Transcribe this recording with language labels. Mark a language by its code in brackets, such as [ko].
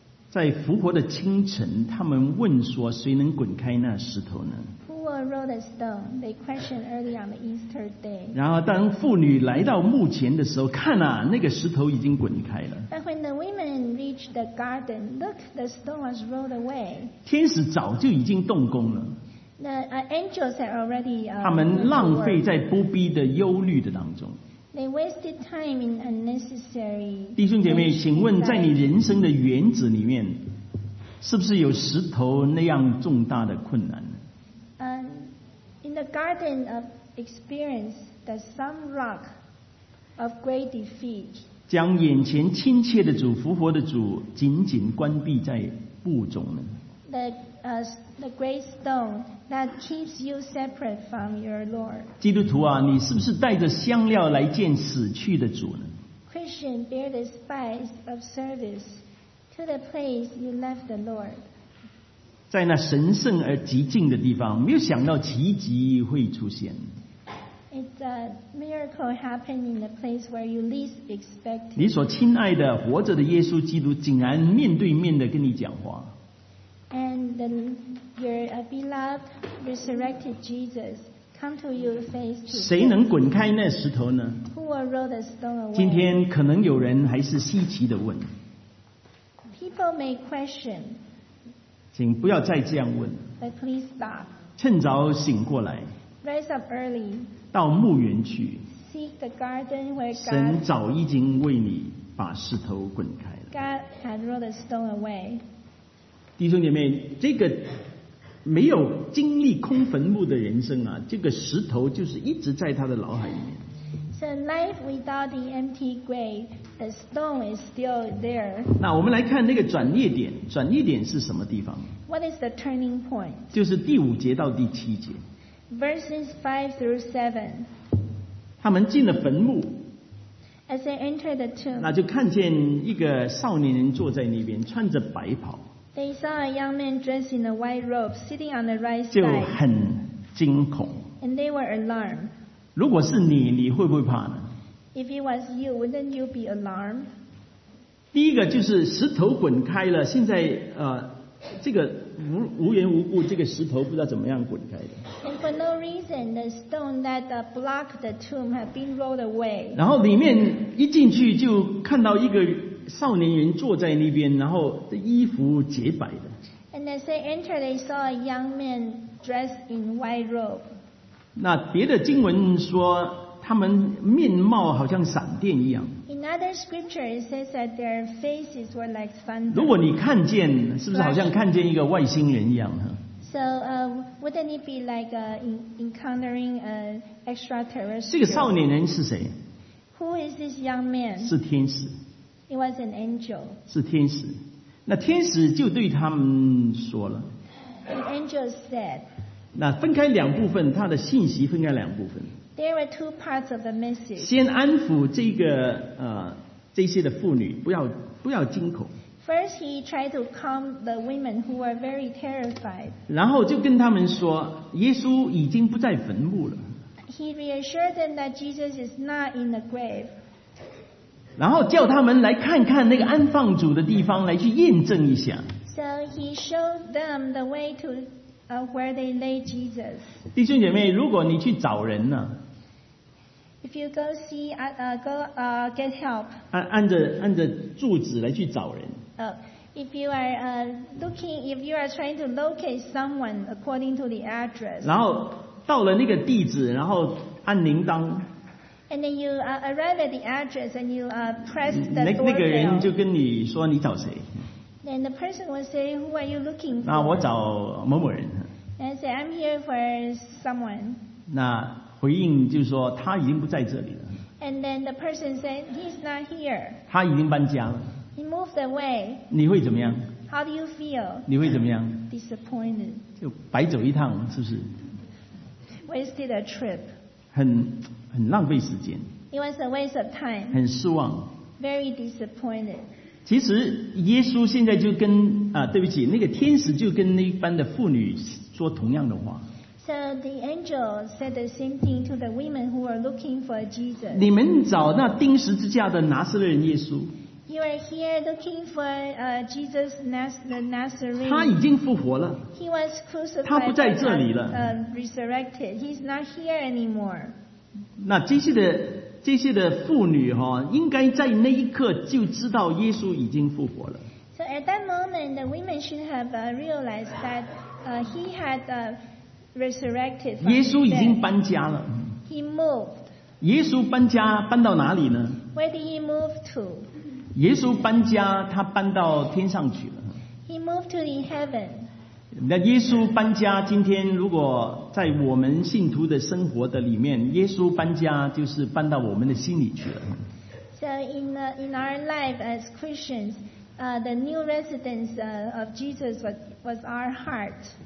[zh] 在复活的清晨，他们问说：“谁能滚开那石头呢？” [en] Who will roll the stone? They questioned early on the Easter day. [zh] 然后，当妇女来到墓前的时候，看啊，那个石头已经滚开了。 [en] But when the women reached the garden, look, the stone was rolled away. [zh] 天使早就已经动工了。 [en] The angels had already. [zh] 他们浪费在不必的忧虑的当中。 [en] They wasted time in unnecessary. [zh] 弟兄姐妹，请问在你人生的原子里面，是不是有石头那样重大的困难？ [en] In the garden of experience, there's some rock of great defeat. [zh] 将眼前亲切的主、复活的主紧紧关闭在腹中呢？ [en] The great stone that keeps you separate from your Lord. [zh] 基督徒啊，你是不是带着香料来见死去的主呢？ [en] Christian, bear the spice of service to the place you left the Lord. [zh] 在那神圣而极静的地方，没有想到奇迹会出现。 [en] It's a miracle happening in the place where you least expect. [zh] 你所亲爱的活着的耶稣基督竟然面对面的跟你讲话。 [en] And then your beloved resurrected Jesus come to you face to face. [zh] 谁能滚开那石头呢？ [en] Who will roll the stone away? [zh] 今天可能有人还是稀奇的问。 [en] People may question. [zh] 请不要再这样问。 [en] But please stop. [zh] 趁早醒过来。 [en] Rise up early. [zh] 到墓园去。 [en] Seek the garden where God. [zh] 神早已经为你把石头滚开了。 [en] God had rolled the stone away. [zh] 弟兄姐妹，这个没有经历空坟墓的人生啊，这个石头就是一直在他的脑海里面。 [en] So life without the empty grave, the stone is still there. [zh] 那我们来看那个转捩点，转捩点是什么地方 [en] ？What is the turning point? [zh] 就是第五节到第七节。 [en] Verses 5-7. [zh] 他们进了坟墓。 [en] As they enter the tomb. [zh] 那就看见一个少年人坐在那边，穿着白袍。 [en] They saw a young man dressed in a white robe sitting on the right side. [zh] 就很惊恐。 [en] And they were alarmed. [zh] 如果是你，你会不会怕呢？ [en] If it was you, wouldn't you be alarmed? [zh] 第一个就是石头滚开了，现在这个 无缘无故这个石头不知道怎么样滚开的。 [en] And for no reason, the stone that blocked the tomb had been rolled away. [zh] 然后里面一进去就看到一个少年人坐在那边，然后衣服洁白的。 [en] And as they entered, they saw a young man dressed in white robe. [zh] 那别的经文说他们面貌好像闪电一样。 [en] In other scripture, it says that their faces were like thunder. [zh] 如果你看见，是不是好像看见一个外星人一样呢？ [en] So, wouldn't it be like encountering an extraterrestrial? [zh] 这个少年人是谁？ [en] Who is this young man? [zh] 是天使。 [en] It was an angel. [zh] 是天使，那天使就对他们说了。 [en] An angel said. [zh] 那分开两部分，他的信息分开两部分。 [en] There were two parts of the message. [zh] 先安抚这个这些的妇女，不要惊恐。 [en] First, he tried to calm the women who were very terrified. [zh] 然后就跟他们说，耶稣已经不在坟墓了。 [en] He reassured them that Jesus is not in the grave. [zh] 然后叫他们来看看那个安放主的地方，来去验证一下。 [en] So he showed them the way to where they laid Jesus. [zh] 弟兄姐妹，如果你去找人呢 [en] ？If you go see go get help. [zh] 按着柱子来去找人。 [en] If you are looking, if you are trying to locate someone according to the address. [zh] 然后到了那个地址，然后按铃铛。 [en] And then you arrive at the address and you press the doorbell. [zh] 那个人就跟你说你找谁。 [en] And the person will say, who are you looking for? [zh] 那我找某某人。 [en] And say, I'm here for someone. [zh] 那回应就是说他已经不在这里了。 [en] And then the person said, he's not here. [zh] 他已经搬家了。 [en] He moved away. [zh] 你会怎么样？ [en] How do you feel? [zh] 你会怎么样？ [en] Disappointed. [zh] 就白走一趟，是不是？ [en] Wasted a trip. [zh] 很浪费时间。 [en] It was a waste of time. [zh] 很失望。 [en] Very disappointed. [zh] 其实耶稣现在就跟对不起，那个天使就跟那一般的妇女说同样的话。 [en] So the angel said the same thing to the women who were looking for Jesus. [zh] 你们找那钉十字架的拿撒勒人耶稣。 [en] You are here looking for Jesus the Nazarene. [zh] 他已经复活了, [en] he was crucified. [zh] 他不在这里了, [en] resurrected. He's not here anymore. [zh] 那这些的妇女哦, 应该在那一刻就知道耶稣已经复活了。 [en] So at that moment, the women should have realized that he had resurrected from [zh] 耶稣已经搬家了。 [en] He moved. [zh] 耶稣搬家, 搬到哪里呢? [en] Where did he move to? [zh] 耶稣搬家, 他搬到天上去了。 [en] He moved to in heaven. [zh] 那耶稣搬家, 今天如果在我们信徒的生活的里面, 耶稣搬家就是搬到我们的心里去了。 [en] So in our life as Christians, the new residence of Jesus was our heart.